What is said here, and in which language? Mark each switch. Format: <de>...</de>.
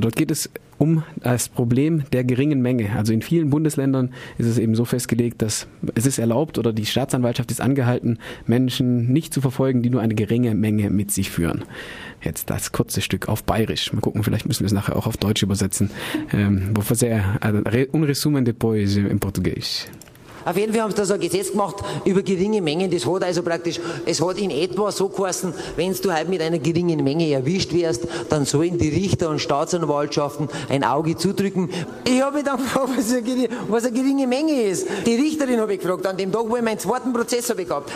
<de>Dort geht es um das Problem der geringen Menge. Also in vielen Bundesländern ist es eben so festgelegt, dass es ist erlaubt oder die Staatsanwaltschaft ist angehalten, Menschen nicht zu verfolgen, die nur eine geringe Menge mit sich führen. Jetzt das kurze Stück auf Bayerisch. Mal gucken, vielleicht müssen wir es nachher auch auf Deutsch übersetzen.</de> <pt>Vou fazer um resumo depois em português.</pt> <de>Auf jeden Fall haben sie da so ein Gesetz gemacht über geringe Mengen. Das hat also praktisch, es hat in etwa so geheißen, wenn du halt mit einer geringen Menge erwischt wirst, dann sollen die Richter und Staatsanwaltschaften ein Auge zudrücken. Ich habe mich dann gefragt, was eine geringe Menge ist. Die Richterin habe ich gefragt, an dem Tag, wo ich meinen zweiten Prozess habe gehabt.</de>